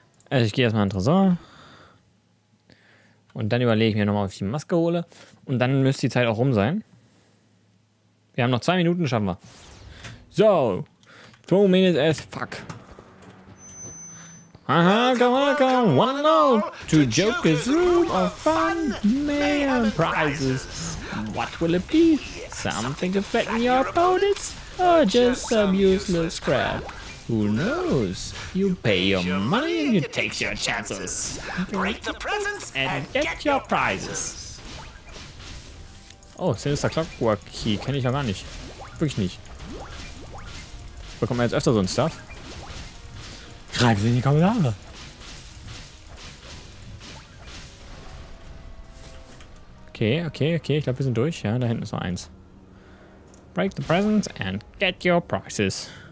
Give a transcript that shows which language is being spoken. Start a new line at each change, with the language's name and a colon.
German: Also ich gehe erstmal in den Tresor. Und dann überlege ich mir nochmal, ob ich die Maske hole. Und dann müsste die Zeit auch rum sein. Wir haben noch 2 Minuten, schaffen wir.
English: So. 2 minutes as fuck. Aha, welcome, one and all, to Joker's Room of Fun Mayhem Prizes. What will it be? Something affecting your opponents? Or just some useless crap? Who knows? You pay your money and you take your chances. Break the presents and get your prizes.
German: Oh, Sinister Clockwork Key kenne ich ja gar nicht. Wirklich nicht. Bekommt man jetzt öfter so ein Stuff? Schreibt es in die Kommentare. Okay, ich glaube, wir sind durch. Ja, da hinten ist noch eins.
English: Break the presents and get your prizes.